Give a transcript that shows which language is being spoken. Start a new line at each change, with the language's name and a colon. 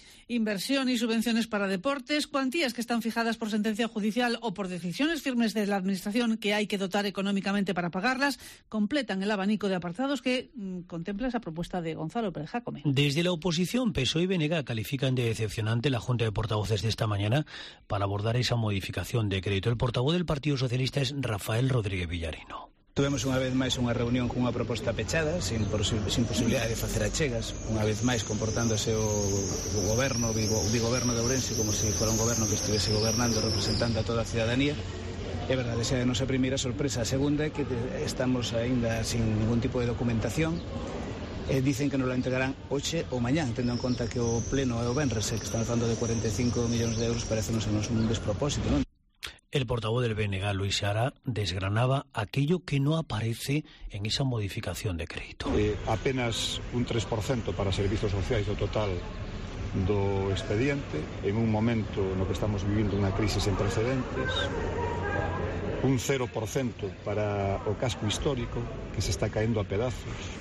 Spanish: Inversión y subvenciones para deportes, cuantías que están fijadas por sentencia judicial o por decisiones firmes de la Administración que hay que dotar económicamente para pagarlas, completan el abanico de apartados que contempla esa propuesta de Gonzalo Pérez Jácome. Desde la oposición, PSOE y BNG califican de decepcionante la Junta de Portavoces de esta mañana para abordar esa modificación de crédito. El portavoz del Partido Socialista es Rafael Rodríguez Villarino.
Galician: Tuvemos unha vez máis unha reunión cunha proposta pechada, sin posibilidade de facer achegas, unha vez máis comportándose o goberno, o bigoberno de Ourense, como se fora un goberno que estivese gobernando, representando a toda a ciudadanía. É verdade, esa é a nosa primeira sorpresa. A segunda é que estamos aínda sin ningún tipo de documentación.
Spanish: Dicen que nos la entregarán
Galician: hoxe ou mañán, tendo en conta que o pleno é o venres, que están falando de 45 millóns de euros, parecenos un despropósito, non?
Spanish: El portavoz del BNG, Luis Seara, desgranaba aquello que no aparece en esa modificación de crédito.
Galician: Apenas un 3% para servicios sociais do total do expediente, en un momento no que estamos vivindo unha crise sen precedentes, un 0% para o casco histórico, que se está caendo a pedazos.